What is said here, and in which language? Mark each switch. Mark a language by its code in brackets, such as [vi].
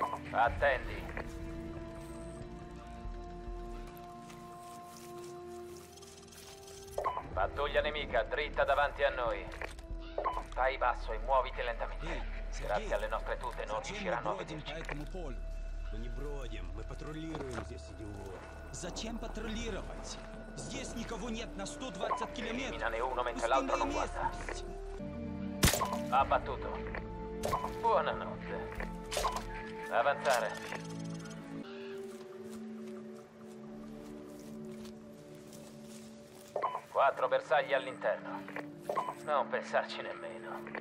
[it] Attendi. Pattuglia nemica, dritta davanti a noi. Stai basso e muoviti lentamente. Grazie alle nostre tute non riusciranno a vederci. [ru] Мы не бродим, мы патрулируем здесь, идиот. Зачем патрулировать? Здесь никого нет на 120 километров. [it] Не уно, mentre l'altro non guarda. Ha battuto. Buonanotte. Avanzare. Quattro bersagli all'interno. Non pensarci nemmeno.